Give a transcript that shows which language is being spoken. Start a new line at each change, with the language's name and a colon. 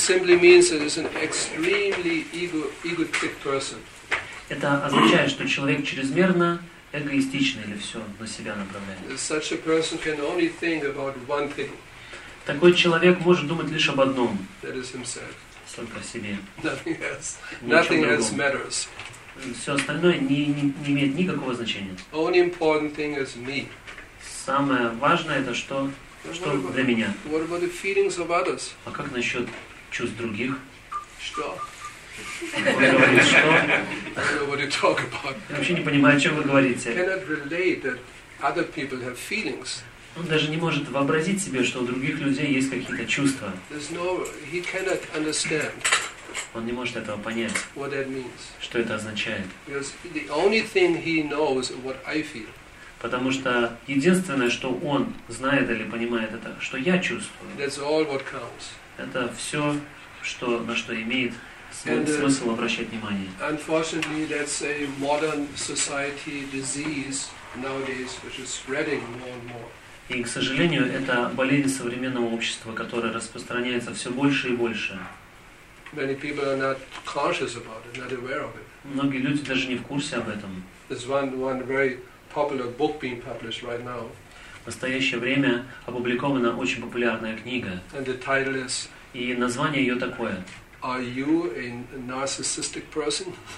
English: It simply means that it's an extremely egotistic person.
Russian: Это означает, что человек чрезмерно эгоистичный или все на себя направляет.
English: Such a person can only think about one thing.
Russian: Такой человек может думать лишь об одном.
English: That is himself.
Russian: Только о себе.
English: Nothing else matters.
Russian: Все остальное не имеет никакого значения.
English: Only important thing is me.
Russian: Самое важное это что для меня.
English: What about the feelings of others?
Russian: А как насчет чувств других? Что? Что?
English: What you talk about?
Russian: Я вообще не понимаю, о чем вы говорите.
English: Cannot relate that other people have feelings.
Russian: Он даже не может вообразить себе, что у других людей есть какие-то чувства.
English: He cannot understand.
Russian: Он не может этого понять.
English: What that means.
Russian: Что это означает?
English: Because the only thing he knows what I feel.
Russian: Потому что единственное, что он знает или понимает, это что я чувствую.
English: That's all what counts.
Russian: Это все, что на что имеет смысл обращать внимание.
English: Unfortunately, that's a modern society disease nowadays, which is spreading more and more.
Russian: И, к сожалению, это болезнь современного общества, которая распространяется все больше и больше.
English: Many people are not conscious about it, not aware of it.
Russian: Многие люди даже не в курсе об этом.
English: There's one very popular book being published right now.
Russian: В настоящее время опубликована очень популярная книга.
English: And the title is.
Russian: И название ее такое.
English: Are you a narcissistic person?